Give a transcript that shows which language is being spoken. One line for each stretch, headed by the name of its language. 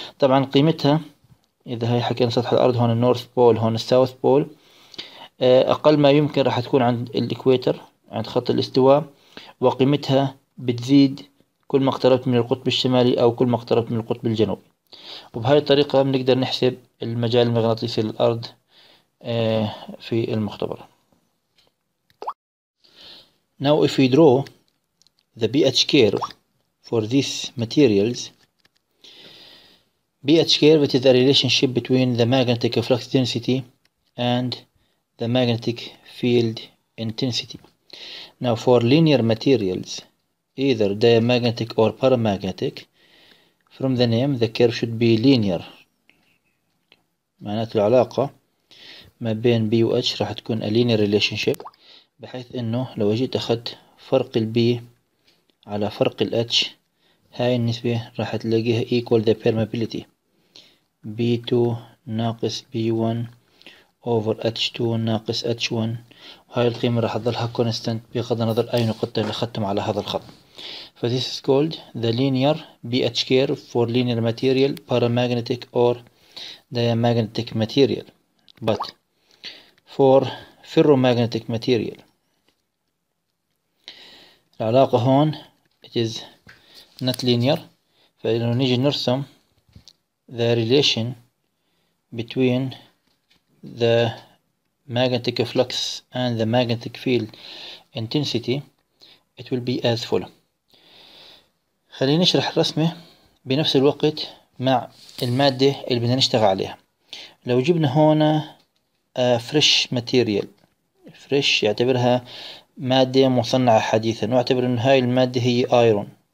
Arabic: طبعا قيمتها إذا هي حكينا سطح الأرض، هون النورث بول، هون الساوث بول، أقل ما يمكن راح تكون عند الإكويتر عند خط الاستواء، وقيمتها بتزيد كل ما اقتربت من القطب الشمالي أو كل ما اقتربت من القطب الجنوبي. وبهاي الطريقة بنقدر نحسب المجال المغناطيسي للأرض في المختبر.
English: Now if we draw the BH curve for these materials, BH curve is the relationship between the magnetic flux density and the magnetic field intensity. Now for linear materials, either diamagnetic or paramagnetic, from the name the curve should be linear.
Arabic: معنات العلاقة ما بين B و H راح تكون
English: a linear relationship،
Arabic: بحيث انه لو جيت اخذت فرق ال B على فرق ال H، هاي النسبة راح تلاقيها
English: equal the permeability.
Arabic: B2 ناقص B1 over H2 ناقص H1، وهاي القيمة راح تظلها constant بغض النظر اي نقطة اللي اخذتهم على هذا الخط.
English: This is called the linear BH curve for linear material, paramagnetic or diamagnetic material. But for ferromagnetic material,
Arabic: العلاقة هون
English: it is not linear.
Arabic: فإذا نيجي نرسم
English: the relation between the magnetic flux and the magnetic field intensity, it will be as follows.
Arabic: خليني اشرح الرسمة بنفس الوقت مع المادة اللي بدنا نشتغل عليها. لو جبنا هون فريش ماتيريال، فريش يعتبرها مادة مصنعة حديثا، واعتبر ان هاي المادة هي ايرون.